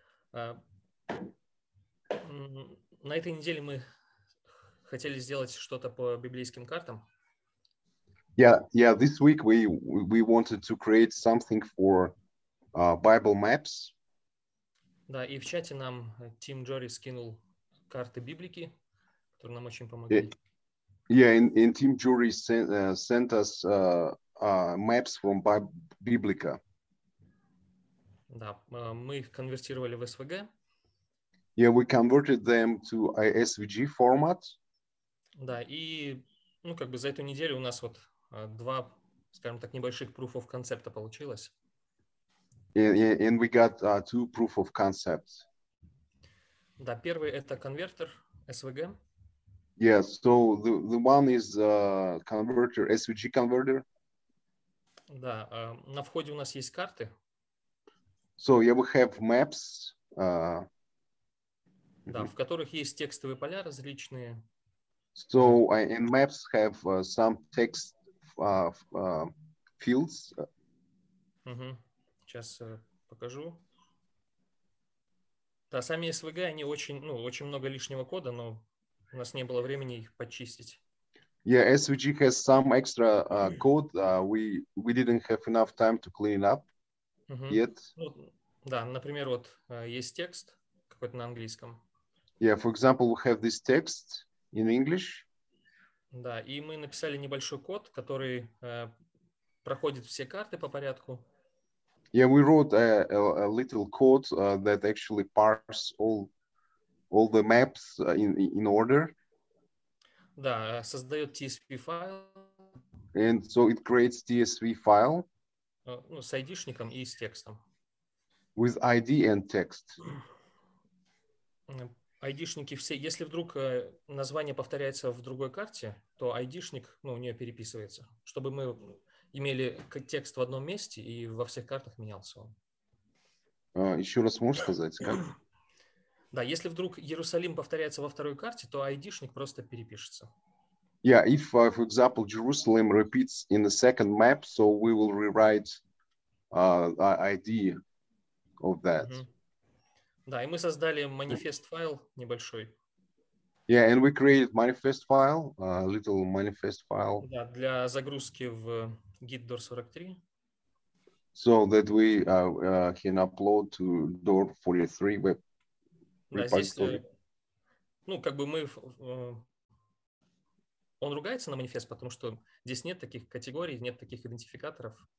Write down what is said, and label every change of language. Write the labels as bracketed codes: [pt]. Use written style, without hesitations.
[ru] На этой неделе мы хотели сделать что-то по библейским картам. [en] Yeah, this week we wanted to create something for Bible maps. [ru] Да, и в чате нам Тим Джори скинул карты библики. Нам очень помогли. [en] Yeah, and Team Jury sent us maps from Biblica. [ru] Да, мы их конвертировали в SVG. [en] Yeah, we converted them to SVG format. [ru] Да, и за эту неделю у нас два, скажем так, небольших proof of concept получилось. [en] And we got two proof of concepts. [ru] Да, первый это конвертер SVG. [en] Yeah, so the one is converter, SVG converter. [ru] Да, на входе у нас есть карты. [en] So yeah, we have maps. [ru] Да, в которых есть текстовые поля различные. [en] So and maps have some text fields. [ru] Сейчас покажу. Да, сами SVG, они очень много лишнего кода, но у нас не было времени их почистить. [en] Yeah, SVG has some extra code. We didn't have enough time to clean up yet. [ru] Да, например, есть текст какой-то на английском. [en] Yeah, for example, we have this text in English. [ru] Да, и мы написали небольшой код, который проходит все карты по порядку. [en] Yeah, we wrote a little code that actually parses all the maps in order. [ru] Да, создает TSV файл. [en] And so it creates TSV file. [ru] С ID-шником и с текстом. [en] With ID and text. [ru] ID-шники все. Если вдруг название повторяется в другой карте, то ID-шник у нее переписывается, чтобы мы имели текст в одном месте и во всех картах менялся он. Еще раз можешь сказать, как? Да, если вдруг Иерусалим повторяется во второй карте, то ID-шник просто перепишется. [en] Yeah, if, for example, Jerusalem repeats in the second map, so we will rewrite ID of that. [ru] Да, и мы создали манифест файл небольшой. [en] Yeah, and we created manifest file, a little manifest file. [ru] Да, для загрузки в Gitdoor 43. [en] So that we can upload to Door 43 web. [ru] Да, здесь, он ругается на манифест, потому что здесь нет таких категорий, нет таких идентификаторов.